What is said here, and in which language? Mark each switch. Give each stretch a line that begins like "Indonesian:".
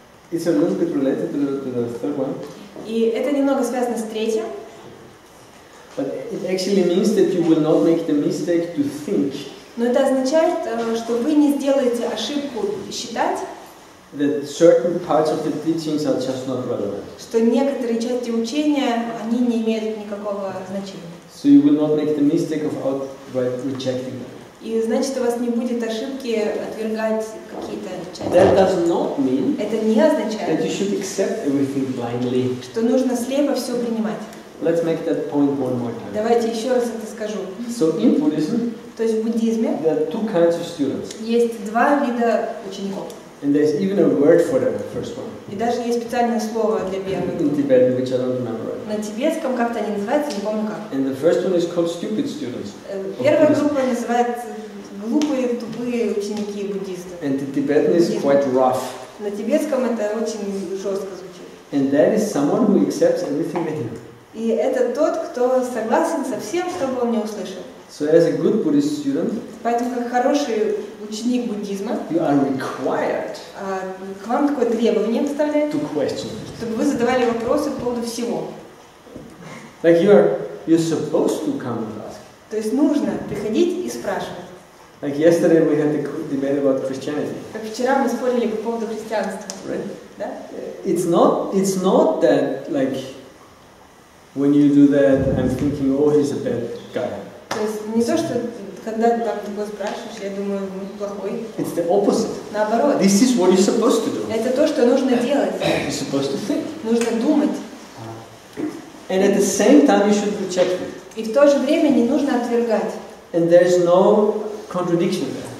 English: it's a little bit related to the third one.
Russian: И это немного связано с третьим.
English: But it actually means that you will not make the mistake to think.
Russian: Но это означает, что вы не сделаете ошибку считать.
English: That certain parts of the teachings are just not relevant.
Russian: Что некоторые части учения они не имеют никакого значения.
English: So you will not make the mistake of outright rejecting them.
Russian: И значит, у вас не будет ошибки отвергать какие-то части.
English: That does not mean,
Russian: это не означает,
English: that you should accept everything blindly.
Russian: Что нужно слепо все принимать.
English: Let's make that point one more time.
Russian: Давайте еще раз это скажу.
English: So in Buddhism,
Russian: то есть в буддизме,
English: there are two kinds of students.
Russian: Есть два вида учеников.
English: And there's even a word for them, the first one.
Russian: И даже есть специальное слово для первого.
English: In Tibetan, which I don't remember.
Russian: На тибетском как-то они называются, не помню как.
English: And the first one is called stupid students.
Russian: Первая группа называется глупые, тупые ученики буддисты.
English: And the Tibetan is quite rough.
Russian: На тибетском это очень жестко звучит.
English: And that is someone who accepts everything I hear.
Russian: И это тот, кто согласен со всем, что бы он не услышал.
English: So as a good Buddhist student,
Russian: поэтому как хороший ученик буддизма,
English: you are required,
Russian: к вам такое требование вставляет,
English: to question,
Russian: чтобы вы задавали вопросы по поводу всего.
English: Like you're supposed to come and ask.
Russian: То есть нужно приходить и спрашивать.
English: Like yesterday we had a debate about Christianity.
Russian: Как вчера мы спорили по поводу христианства.
English: Right?
Russian: Да?
English: It's not that like when you do that, I'm thinking, oh, he's a bad guy.
Russian: То есть не то, что когда ты там такое спрашиваешь, я думаю, ну плохой.
English: It's the opposite.
Russian: Наоборот.
English: This is what you're supposed to do.
Russian: Это то, что нужно делать.
English: You're supposed to think.
Russian: Нужно думать.
English: And at the same time you should reject it.
Russian: И в то же время не нужно отвергать.
English: And there's no contradiction there.